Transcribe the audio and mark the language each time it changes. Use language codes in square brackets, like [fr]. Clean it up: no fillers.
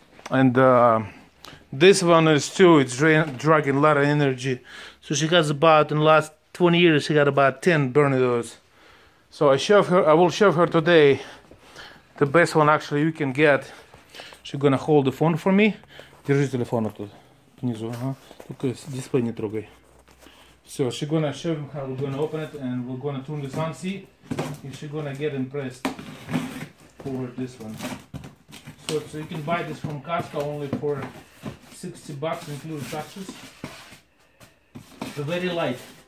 [en] And this one is too. It's dragging a lot of energy. So she has about, in the last 20 years, she got about 10 burners. So I will show her today the best one actually you can get. She's gonna hold the phone for me. [ru] Держи телефон тут, внизу, ага. Только дисплей не трогай. [en] Все, she's gonna show him how we're gonna open it and we're gonna turn this on, see if she's gonna get impressed for this one. So you can buy this from Costco only for 60 bucks, including taxes. It's very light.